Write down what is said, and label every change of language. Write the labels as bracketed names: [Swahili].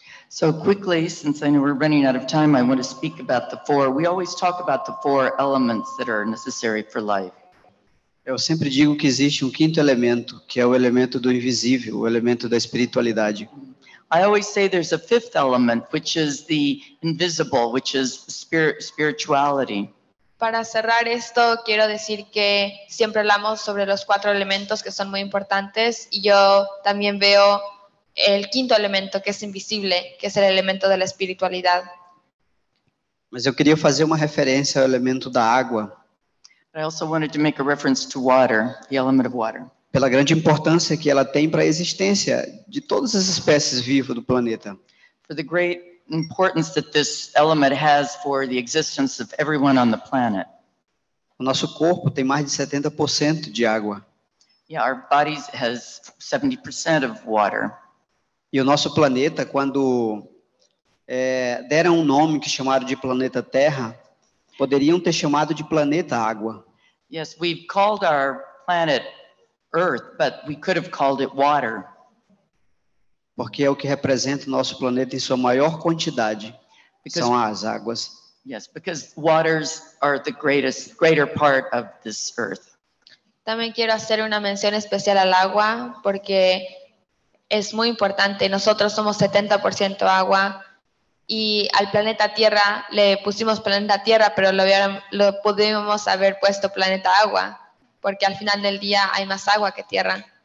[English] So quickly, since I know we're running out of time, I want to speak about the four. We always talk about the four elements that are necessary for life. [Portuguese] Eu sempre digo que existe quinto elemento, que é o elemento do invisível, o elemento da espiritualidade. [English] I always say there's a fifth element, which is the invisible, which is spirituality. [Spanish] Para cerrar esto, quiero decir que siempre hablamos sobre los cuatro elementos que son muy importantes y yo también veo el quinto elemento que es invisible, que es el elemento de la espiritualidad. [Portuguese] Mas eu queria fazer uma referência ao elemento da água. [English] I also wanted to make a reference to water, the element of water. [Portuguese] Pela grande importância que ela tem para a existência de todas as espécies vivas do planeta. [English] For the great importance that this element has for the existence of everyone on the planet. [Portuguese] O nosso corpo tem mais de 70% de água. [English] Yeah, our bodies has 70% of water. [Portuguese] E o nosso planeta, quando deram um nome que chamaram de planeta Terra, poderiam ter chamado de planeta Água. [English] Yes, we've called our planet Earth, but we could have called it water. [Portuguese] Porque é o que representa o nosso planeta em sua maior quantidade, because, são as águas. [English] Yes, because waters are the greater part of this Earth. [Spanish] También quiero hacer una mención especial al agua, porque es muy importante. Nosotros somos 70% agua, y al planeta Tierra le pusimos planeta Tierra, pero lo pudimos haber puesto planeta Agua, porque al final del día hay más agua que tierra.